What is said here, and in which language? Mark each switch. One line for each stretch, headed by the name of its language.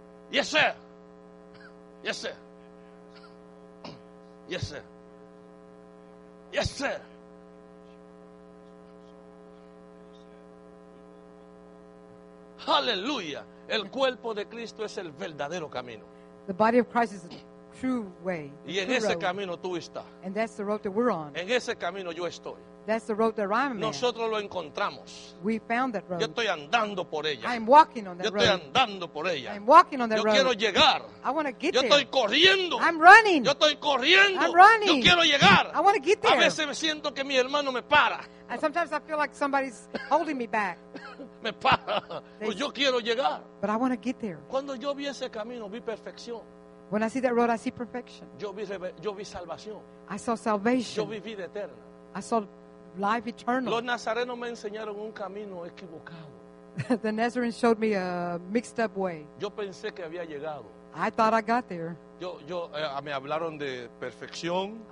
English: Yes, sir. Yes, sir. Yes, sir. Yes, sir.
Spanish: Hallelujah. El cuerpo de Cristo es el verdadero camino.
English: The body of Christ is the true way.
Spanish: Y en ese camino tú estás.
English: And that's the road that we're on.
Spanish: En ese camino yo estoy.
English: That's the road that I'm on.
Spanish: Nosotros lo encontramos.
English: We found that road.
Spanish: Yo estoy andando por ella.
English: I'm walking on that
Spanish: yo estoy
English: road.
Spanish: Andando por ella.
English: I'm walking on that
Spanish: yo
English: road.
Spanish: Yo quiero llegar.
English: I want to get
Spanish: yo
English: there.
Spanish: Yo estoy corriendo.
English: I'm running.
Spanish: Yo estoy corriendo.
English: I'm running.
Spanish: Yo quiero llegar.
English: I want to get there.
Spanish: A veces me siento que mi hermano me para.
English: And sometimes I feel like somebody's holding me back.
Spanish: Me para. Pues yo quiero llegar.
English: But I want to get there.
Spanish: Cuando yo vi ese camino, vi perfección.
English: When I see that road, I see perfection.
Spanish: Yo vi salvación.
English: I saw salvation.
Spanish: Yo vi vida eterna.
English: I saw life eternal.
Spanish: Los nazarenos me enseñaron un camino equivocado.
English: The Nazarenes showed me a mixed up way.
Spanish: Yo pensé que había llegado.
English: I thought I got there.
Spanish: Me hablaron de perfección.